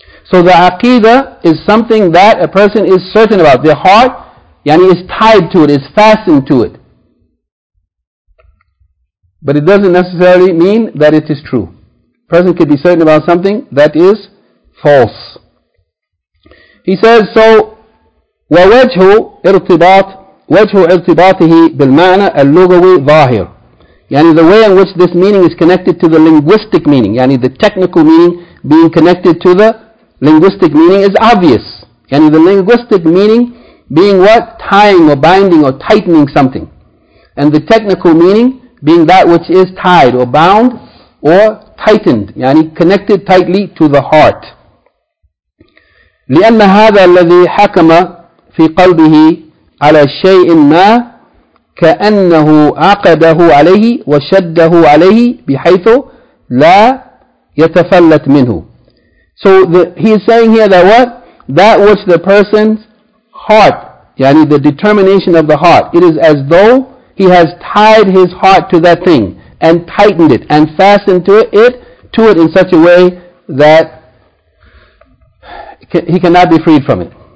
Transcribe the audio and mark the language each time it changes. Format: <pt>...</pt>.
<en>So the aqidah is something that a person is certain about. Their heart, yani, is tied to it, is fastened to it. But it doesn't necessarily mean that it is true. A person could be certain about something that is false. He says, so</en> <ar>ووجه ارتباط وجه ارتباطه بالمعنى اللغوي ظاهر.</ar> <en>Yani the way in which this meaning is connected to the linguistic meaning, yani the technical meaning being connected to the linguistic meaning, is obvious. Yani the linguistic meaning being what? Tying or binding or tightening something. And the technical meaning being that which is tied or bound or tightened, yani connected tightly to the heart.</en> <ar>لأن هذا الذي حكم في قلبه على شيء ما كأنه عقده عليه وشده عليه بحيث لا يتفلت منه.</ar> <en>So he is saying here that what? That which the person's heart, yani the determination of the heart, it is as though he has tied his heart to that thing and tightened it and fastened to it in such a way that he cannot be freed from it.</en>